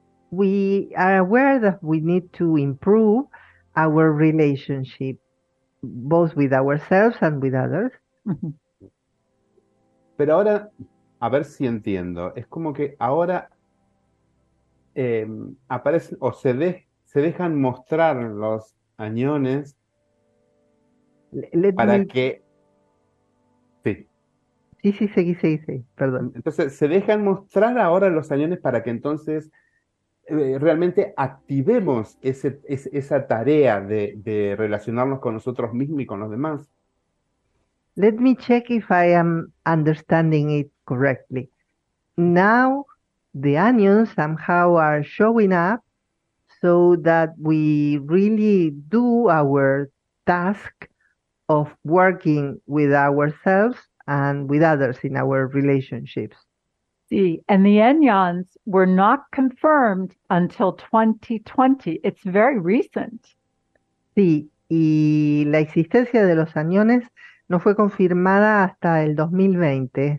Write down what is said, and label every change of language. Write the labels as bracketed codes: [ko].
[en] We are aware that we need to improve our relationship, both with ourselves and with others. [es] Pero ahora, a ver si entiendo, es como que ahora aparecen o se dejan mostrar los añones para que... Sí. Sí, sí, seguí, seguí, seguí, perdón. Entonces, se dejan mostrar ahora los añones para que entonces realmente activemos esa tarea de relacionarnos con nosotros mismos y con los demás. [en] Let me check if I am understanding it correctly. Now, the onions somehow are showing up so that we really do our task of working with ourselves and with others in our relationships. Sí, and the onions were not confirmed until 2020. It's very recent. [es] Sí, y la existencia de los aniones no fue confirmada hasta el 2020.